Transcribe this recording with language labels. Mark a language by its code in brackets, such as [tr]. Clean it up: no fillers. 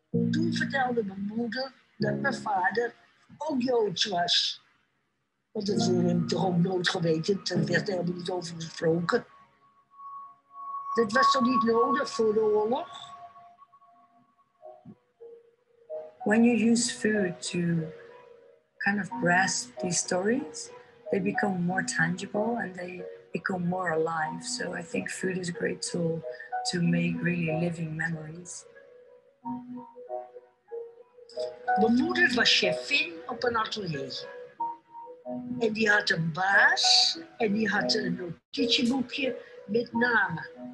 [nl] Toen vertelde mijn moeder dat mijn vader ook Joods was. Want dat wilde hem toch ook nooit geweten. Daar werd helemaal niet over gesproken. Dat was toch niet nodig voor de oorlog? [en] When you use food to kind of grasp these stories, they become more tangible and they become more alive. So I think food is a great tool to make really living memories. [nl] Mijn moeder was chefin op een atelier. En die had een baas en die had een notitieboekje met namen.